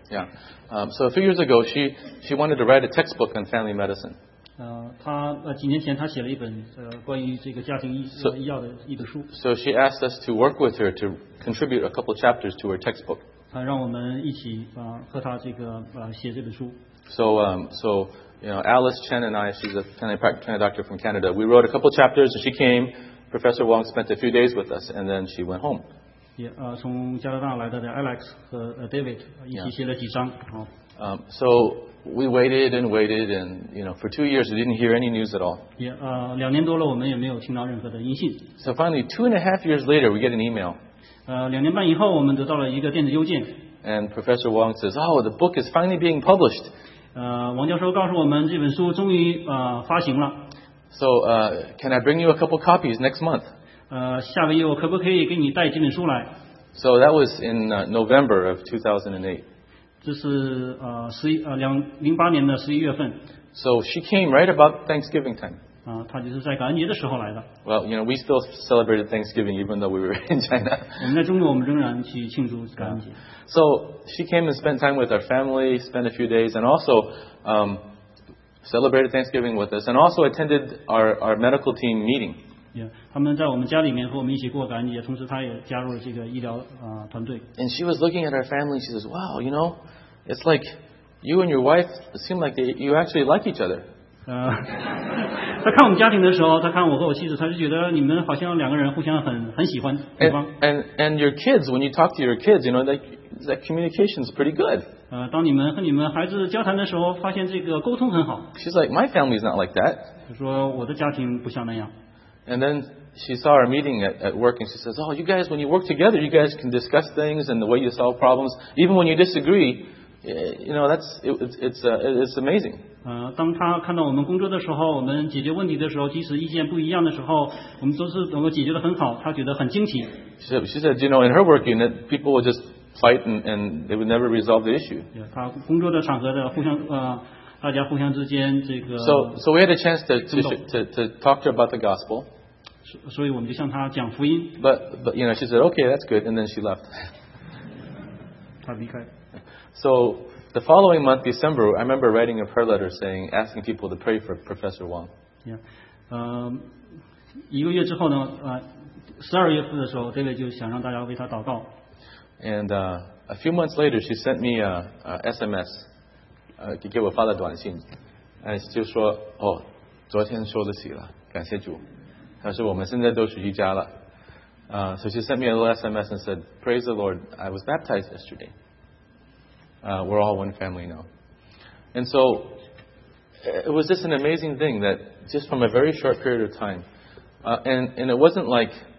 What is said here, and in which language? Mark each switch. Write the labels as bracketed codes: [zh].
[en] Yeah. So a few years ago, she wanted to write a textbook on family medicine. [zh] 几年前她写了一本关于这个家庭医药的一本书。 [en] So she asked us to work with her to contribute a couple chapters to her textbook. [zh] 让我们一起和她这个写这本书。 [en] So you know, Alice Chen and I, she's a family doctor from Canada. We wrote a couple chapters and she came. Professor Wong spent a few days with us and then she went home. [zh] Yeah, 从加拿大来的 Alex 和 David 一起写了几章。 [en] So we waited and waited and, you know, for 2 years we didn't hear any news at all. [zh] Yeah, 两年多了我们也没有听到任何的音信。 [en] So finally, 2.5 years later, we get an email. [zh] 两年半以后我们得到了一个电子邮件。 [en] And Professor Wong says, oh, the book is finally being published. [zh] 王教授告诉我们这本书终于发行了。 [en] So, can I bring you a couple copies next month? [zh] 下个月我可不可以给你带几本书来？ [en] So that was in November of 2008. [zh] 这是2008年的十一月份。 [en] So she came right about Thanksgiving time. [zh] 她就是在感恩节的时候来的。 [en] Well, you know, we still celebrated Thanksgiving even though we were in China. [zh] 我们在中国，我们仍然去庆祝感恩节。 [en] So she came and spent time with our family, spent a few days, and also, celebrated Thanksgiving with us, and also attended our medical team meeting. [zh] Yeah, 他们在我们家里面和我们一起过感恩节，同时他也加入了这个医疗团队。 [en] And she was looking at our family. She says, "Wow, you know, it's like you and your wife seem like you actually like each other." [zh] 他看我们家庭的时候，他看我和我妻子，他就觉得你们好像两个人互相很喜欢对方。 [en] And your kids, when you talk to your kids, you know that communication is pretty good. [zh] 当你们和你们孩子交谈的时候，发现这个沟通很好。 [en] She's like, my family's not like that. [zh] 她说我的家庭不像那样。 [en] And then she saw our meeting at work, and she says, "Oh, you guys, when you work together, you guys can discuss things and the way you solve problems, even when you disagree. You know, it's amazing." [zh] 当她看到我们工作的时候，我们解决问题的时候，即使意见不一样的时候，我们都是能够解决得很好，她觉得很惊奇。 [en] She said, "You know, in her work unit, people would just." Fight and they would never resolve the issue. [zh] Yeah, 他工作的场合的互相大家互相之间这个。 [en] So we had a chance to talk to her about the gospel. [zh] 所以我们就向他讲福音。 [en] But you know she said okay that's good and then she left. [zh] 他离开。 [en] So the following month, December, I remember writing of her letter saying asking people to pray for Professor Wong. [zh] Yeah, 一个月之后呢，12月份的时候 ，David 就想让大家为他祷告。 [en] And a few months later, she sent me a SMS, [zh] 给我发了短信，就说哦，昨天收的喜了，感谢主。她说我们现在都属于家了。 [en] So she sent me a little SMS and said, "Praise the Lord, I was baptized yesterday. We're all one family now." And so it was just an amazing thing that just from a very short period of time, and it wasn't like.